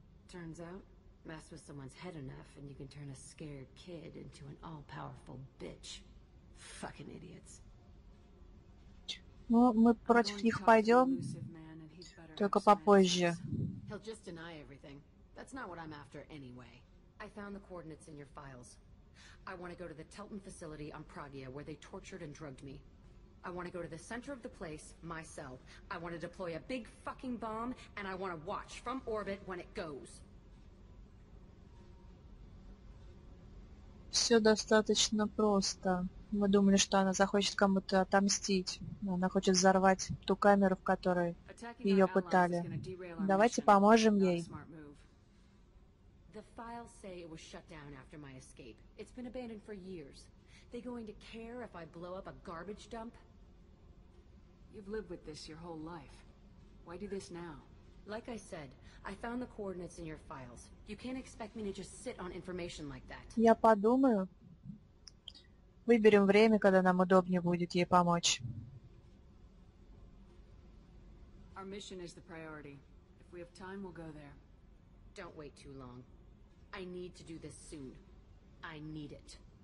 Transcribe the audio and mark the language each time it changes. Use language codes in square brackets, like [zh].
[en] Turns out, mess with someone's head enough, and you can turn a scared kid into an all-powerful bitch. Fucking idiots. [ru] Ну, мы против них пойдем, только попозже. [en] He'll just deny everything. That's not what I'm after anyway. I found the coordinates in your files. I want to go to the Telton facility on Pragya, where they tortured and drugged me. I want to go to the center of the place myself. I want to deploy a big fucking bomb, and I want to watch from orbit when it goes. [ru] Все достаточно просто. Мы думали, что она захочет кому-то отомстить. Она хочет взорвать ту камеру, в которой ее пытали. Давайте поможем ей. [en] The files say it was shut down after my escape. It's been abandoned for years. They going to care if I blow up a garbage dump? You've lived with this your whole life. Why do this now? Like I said, I found the coordinates in your files. You can't expect me to just sit on information like that. [ru] Я подумаю. Выберем время, когда нам удобнее будет ей помочь. [en] Our mission is the priority. If we have time, we'll go there. Don't wait too long. I need to do this soon. I need it.